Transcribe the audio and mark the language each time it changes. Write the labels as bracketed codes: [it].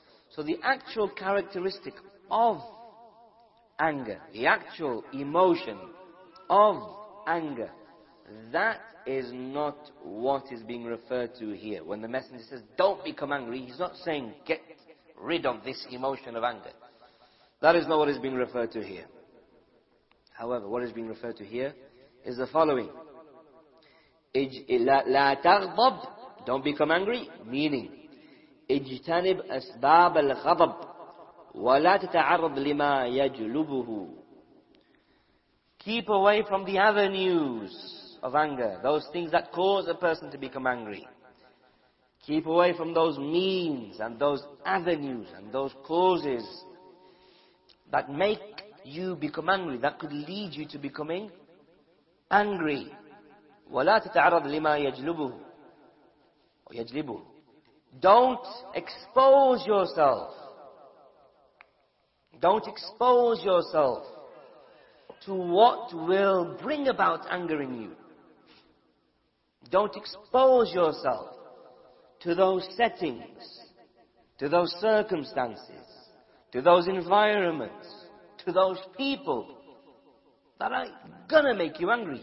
[en] So the actual characteristic of anger, the actual emotion of anger, that is not what is being referred to here. When the Messenger says, don't become angry, he's not saying, get rid of this emotion of anger. That is not what is being referred to here. However, what is being referred to here is the following. [ar] لا تغضب, [en] don't become angry, meaning, [ar] اجتنب أسباب الغضب ولا تتعرض لما يجلبه. [en] Keep away from the avenues of anger, those things that cause a person to become angry. Keep away from those means and those avenues and those causes that make you become angry, that could lead you to becoming angry. [ar] ولا تتعرض لما يجلبه يجلبه. [en] Don't expose yourself. Don't expose yourself to what will bring about anger in you. Don't expose yourself to those settings, to those circumstances, to those environments, to those people that are gonna make you angry.